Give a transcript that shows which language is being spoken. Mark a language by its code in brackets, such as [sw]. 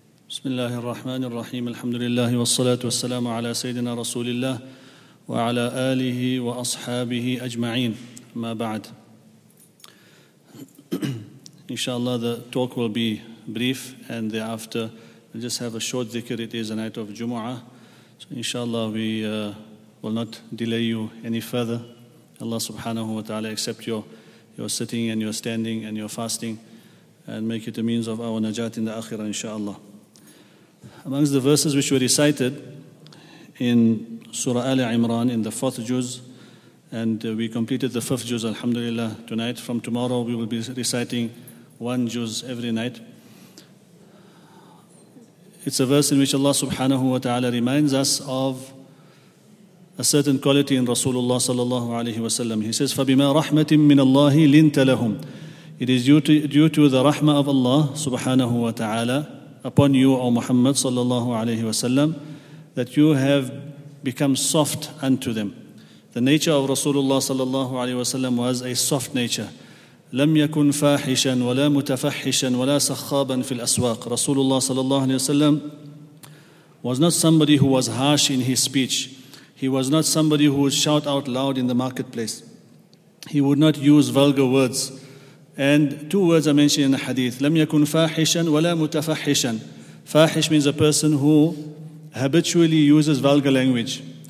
[ar] بسم الله الرحمن الرحيم الحمد لله والصلاة والسلام على سيدنا رسول الله وعلى آله وأصحابه أجمعين ما بعد. [en] Inshallah, the talk will be brief, and thereafter we'll just have a short dhikr. It is a night of Jumu'ah, so inshallah we will not delay you any further. Allah subhanahu wa ta'ala accept your sitting and your standing and your fasting, and make it a means of our najat in the akhirah inshallah. Amongst the verses which were recited in Surah Ali Imran in the fourth juz, and we completed the fifth juz, alhamdulillah, tonight. From tomorrow we will be reciting one juz every night. It's a verse in which Allah subhanahu wa ta'ala reminds us of a certain quality in Rasulullah sallallahu alayhi wa sallam. He says, [ar] فَبِمَا رَحْمَةٍ مِّنَ اللَّهِ لِنْتَ لَهُمْ. [en] It is due to the rahmah of Allah subhanahu wa ta'ala upon you, O Muhammad sallallahu alayhi wa sallam, that you have become soft unto them. The nature of Rasulullah sallallahu alayhi wa sallam was a soft nature. [ar] لم يكن فاحشا ولا متفحشا ولا سخابا في الأسواق. [en] Rasulullah sallallahu alayhi wa sallam was not somebody who was harsh in his speech. He was not somebody who would shout out loud in the marketplace. He would not use vulgar words. And two words are mentioned in the hadith. [ar] لم يكن فاحشا ولا متفحشا. [en] فاحش means a person who habitually uses vulgar language.